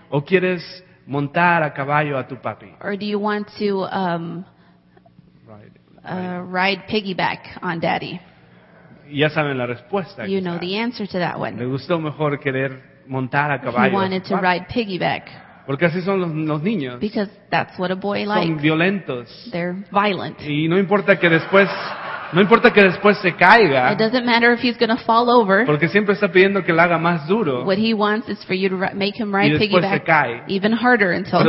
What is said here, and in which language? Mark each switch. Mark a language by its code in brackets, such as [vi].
[es] ¿O quieres montar a caballo a tu papi? [en] Or do you want to ride piggyback on daddy? [es] Ya saben la respuesta. [en] You know the answer to that one. [es] Le gustó mejor querer montar a caballo. [en] He wanted [es] a tu papi. [en] To ride piggyback. [es] Porque así son los niños. [en] Because that's what a boy son likes. [es] Son violentos. [en] They're violent. [es] Y no importa que después. No importa que después se caiga. [en] It doesn't matter if he's going to fall over. [es] Porque siempre está pidiendo que lo haga más duro. [en] What he wants is for you to make him ride piggyback even harder until he falls.